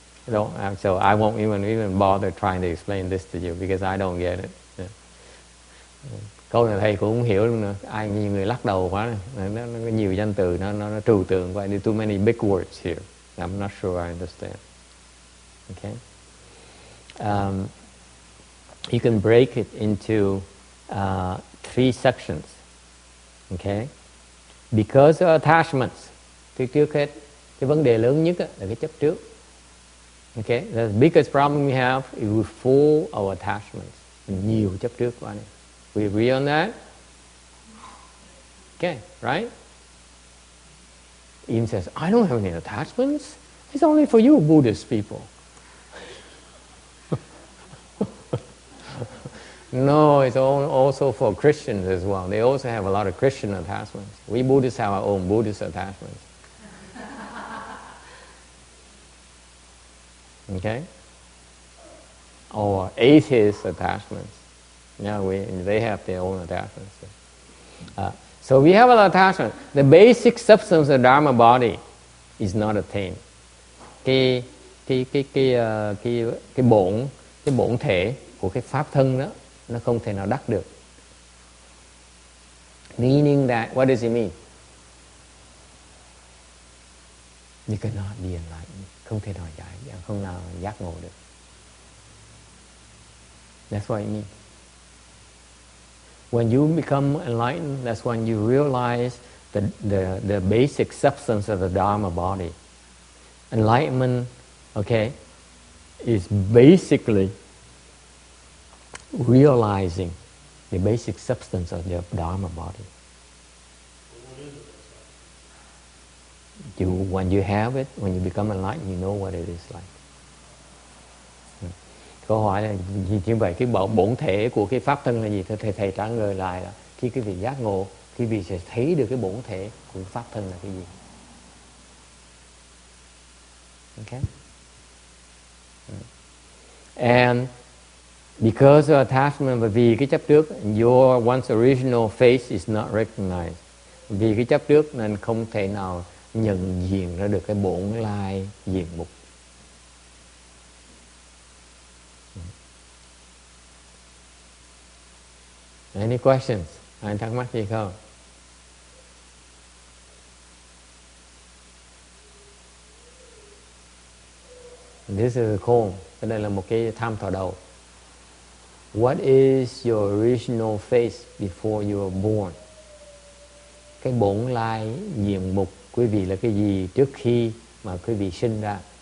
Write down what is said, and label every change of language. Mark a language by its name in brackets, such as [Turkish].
[English] So I won't even bother trying to explain this to you because I don't get it. [Vietnamese] Câu này thầy cũng không hiểu luôn nữa. Ai như người lắc đầu quá này. Nó nhiều danh từ, nó trừu tượng quá. [English] There are too many big words here. I'm not sure I understand. Okay. You can break it into three sections. Okay. Because of attachments. [Vietnamese] Thì trước hết, cái vấn đề lớn nhất là cái chấp trước. [English] Okay. The biggest problem we have is we fool our attachments. [Vietnamese] Nhiều chấp trước quá này. [English] We agree on that? Okay, right? Im says, I don't have any attachments. It's only for you Buddhist people. No, it's also for Christians as well. They also have a lot of Christian attachments. We Buddhists have our own Buddhist attachments. Okay? Or atheist attachments. Yeah, they have their own attachments. So we have a lot of attachments. The basic substance of Dharma body is not attained. [Vietnamese] Cái bổn thể của cái pháp thân đó, nó không thể nào đắc được. [English] Meaning that, what does it mean? You cannot be enlightened. [Vietnamese] Không thể nào giải, không nào giác ngộ được. [English] That's what it means. When you become enlightened, that's when you realize the basic substance of the Dharma body. Enlightenment, okay, is basically realizing the basic substance of the Dharma body. You, when you have it, when you become enlightened, you know what it is like. [Vietnamese] Câu hỏi là như vậy, cái bổn thể của cái pháp thân là gì? Thầy trả lời lại là khi cái vị giác ngộ, khi vị sẽ thấy được cái bổn thể của pháp thân là cái gì. [English] Okay. And because of attachment, [Vietnamese] vì cái chấp trước, [English] your once original face is not recognized. [Vietnamese] Vì cái chấp trước nên không thể nào nhận diện ra được cái bổn lai diện mục. [English] Any questions? [Vietnamese] Anh thắc mắc gì không? [English] This is a [Vietnamese] khôn. Cái này là một cái tham thọ đầu. [English] What is your original face before you were born? [Vietnamese] Cái bổn lai diện mục quý vị là cái gì trước khi mà quý vị sinh ra?